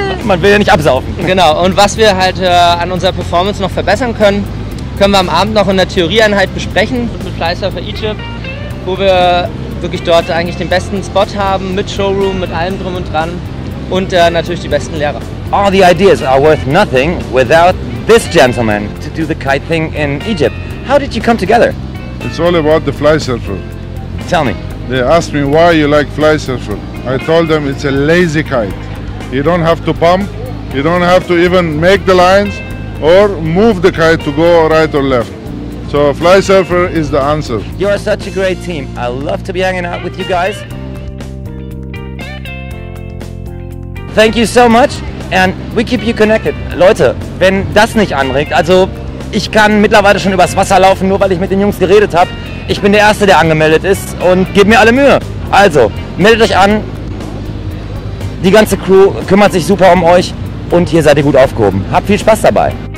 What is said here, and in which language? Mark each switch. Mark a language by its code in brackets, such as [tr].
[de] Man will ja nicht absaufen. Genau, und was wir halt an unserer Performance noch verbessern können, können wir am Abend noch in der Theorieeinheit besprechen mit Fleißhelfer Egypt, wo wir wirklich dort eigentlich den besten Spot haben mit Showroom, mit allem drum und dran und natürlich die besten Lehrer. [en] All the ideas are worth nothing without this gentleman to do the kite thing in Egypt. How did you come together? It's all about the fly surfer. Tell me. They asked me why you like fly surfer. I told them it's a lazy kite. You don't have to pump. You don't have to even make the lines or move the kite to go right or left. So fly surfer is the answer. You're such a great team. I love to be hanging out with you guys. Thank you so much and we keep you connected. [de] Leute, wenn das nicht anregt, also ich kann mittlerweile schon übers Wasser laufen, nur weil ich mit den Jungs geredet habe. Ich bin der Erste, der angemeldet ist und gebt mir alle Mühe. Also, meldet euch an. Die ganze Crew kümmert sich super um euch und hier seid ihr gut aufgehoben. Habt viel Spaß dabei.